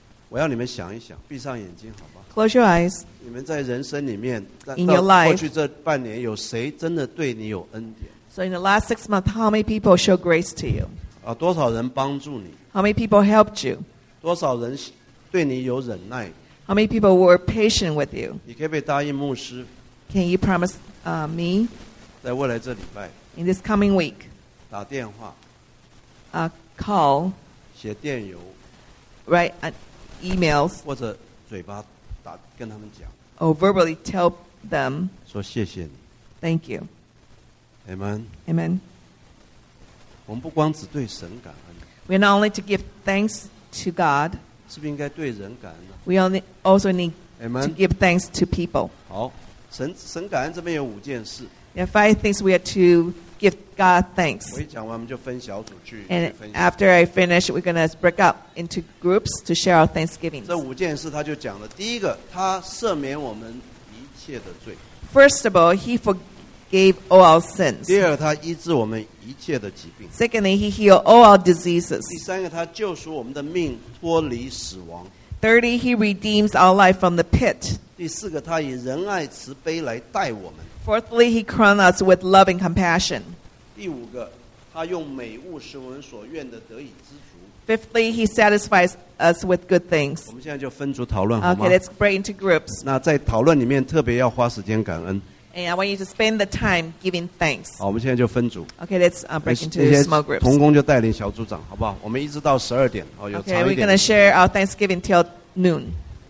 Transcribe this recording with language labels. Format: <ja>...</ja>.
<zh>我要你们想一想，闭上眼睛，好吧。</zh> <en>Close your eyes.</en> <zh>你们在人生里面，</zh> <en>in your life,</en> <zh>过去这半年，有谁真的对你有恩典</zh> <en>？So in the last six months, how many people show grace to you?</en> <zh>啊，多少人帮助你</zh> <en>？How many people helped you?</en> <zh>多少人对你有忍耐</zh> <en>？How many people were patient with you?</en> <zh>你可以答应牧师</zh> <en>？Can you promise me?</en> <zh>在未来这礼拜</zh> <en>，in this coming week,</en> <zh>打电话</zh> <en>，call,</en> <zh>写电邮</zh> <en>，write an emails,</en> <zh>或者嘴巴打跟他们讲</zh> <en>or verbally tell them,</en> <zh>说谢谢你</zh> <en>thank you, amen, amen.</en> <zh>我们不光只对神感恩</zh> <en>we're not only to give thanks to God,</en> <zh>是不是应该对人感恩</zh> <en>we only also need、 amen. to give thanks to people.</en> <zh>好，神感恩这边有五件事</zh> <en>there are five things we are to give God thanks.</en> <zh>我一讲完我们就分小组去</zh> <en>and after I finish, we're going to break up into groups to share our thanksgivings.</en> <zh>这五件事他就讲了。第一个，他赦免我们一切的罪。</zh> <en>First of all, he forgave all our sins.</en> <zh>第二，他医治我们一切的疾病。</zh> <en>Secondly, he healed all our diseases.</en> <zh>第三个，他救赎我们的命，脱离死亡。</zh> <en>Thirdly, he redeems our life from the pit.</en> <zh>第四个，他以仁爱慈悲来待我们。</zh> <en>Fourthly, he crowned us with love and compassion.</en> <zh>第五个，他用美物使我们所愿的得以知足。</zh> <en>Fifthly, he satisfies us with good things.</en> <zh>我们现在就分组讨论好吗</zh> <en>？Okay, let's break into groups.</en> <zh>那在讨论里面特别要花时间感恩。</zh> <en>And I want you to spend the time giving thanks.</en> <zh>好，我们现在就分组。</zh> <en>Okay, let's break into small groups.</en> <zh>那些同工就带领小组长，好不好？我们一直到十二点，哦，有长一点。</zh> <en>Okay, we're going to share our Thanksgiving till noon.</en>